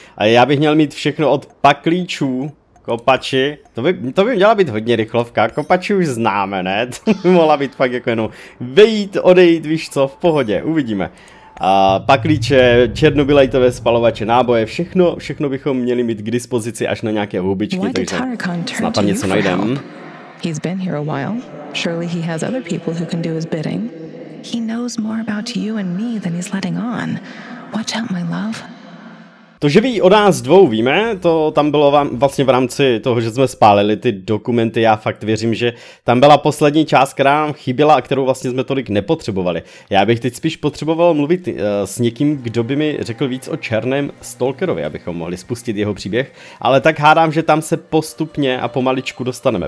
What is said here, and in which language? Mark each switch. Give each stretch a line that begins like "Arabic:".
Czech: A já bych měl mít všechno od paklíčů, kopači, to by měla být hodně rychlovka, kopači už známe, ne? To by mohla být fakt jako jenom vejít, odejít, víš co, v pohodě, uvidíme. A paklíče, černobylajtové spalovače, náboje, všechno bychom měli mít k dispozici až na nějaké houbičky, takže snad tam něco najdem.
English: He's been here a while. Surely he has other people who can do his bidding. He knows more about you and me than he's letting on. Watch out, my love.
Czech: To, že ví o nás dvou, víme, to tam bylo vlastně v rámci toho, že jsme spálili ty dokumenty, já fakt věřím, že tam byla poslední část, která nám chyběla a kterou vlastně jsme tolik nepotřebovali. Já bych teď spíš potřeboval mluvit s někým, kdo by mi řekl víc o černém stalkerovi, abychom mohli spustit jeho příběh, ale tak hádám, že tam se postupně a pomaličku dostaneme.